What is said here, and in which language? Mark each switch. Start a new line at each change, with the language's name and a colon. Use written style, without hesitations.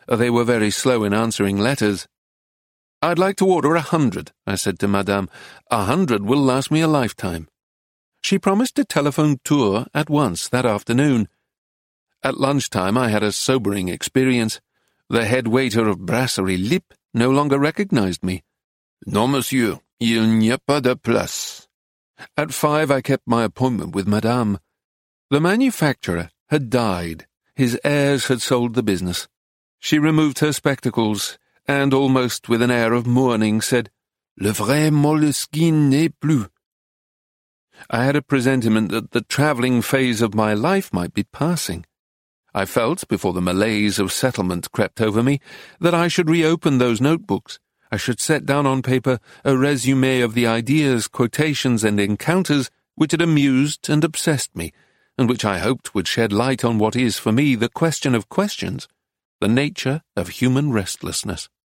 English: They were very slow in answering letters. "I'd like to order 100," I said to Madame. 100 will last me a lifetime." She promised to telephone Tours at once that afternoon. At lunchtime I had a sobering experience. The head waiter of Brasserie Lip no longer recognized me.
French: "Non, monsieur, il n'y a pas de place."
English: At 5 I kept my appointment with Madame. The manufacturer had died. His heirs had sold the business. She removed her spectacles and, almost with an air of mourning, said,
French: "Le vrai moleskine n'est plus."
English: I had a presentiment that the travelling phase of my life might be passing. I felt, before the malaise of settlement crept over me, that I should reopen those notebooks. I should set down on paper a resume of the ideas, quotations, and encounters which had amused and obsessed me, and which I hoped would shed light on what is, for me, the question of questions, the nature of human restlessness.